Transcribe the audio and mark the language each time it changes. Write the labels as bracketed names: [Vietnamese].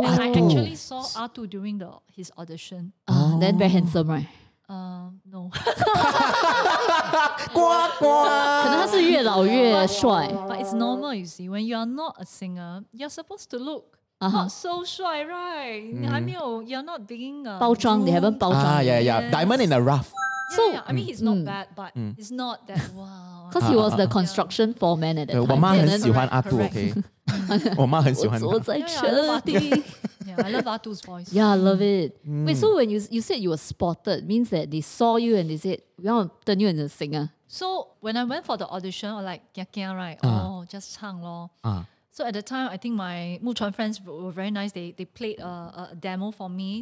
[English] and I actually saw R2 during his audition. Then very handsome, right? No. [Chinese] 呱呱，可能他是越老越帅。 [English] But it's normal, you see. When you are not a singer, you're supposed to look not so 帅, right? [Chinese] 你还没有, [English] you're not being 包装, they haven't 包装. Diamond in the rough. So, yeah, I mean, he's not bad, but it's not that, wow. Because he was the construction foreman at that [Chinese] time. 我妈很喜欢阿杜, okay? 我妈很喜欢他。我坐在车里。 [English] I love Atu's voice. Yeah, I love it. Wait, so when you said you were spotted, means that they saw you and they said, we want to turn you into a singer. So, when I went for the audition, I was like, kia-kia, right? Oh, just sing lor. So at the time, I think my Mu Chuan friends were very nice. They played a demo for me.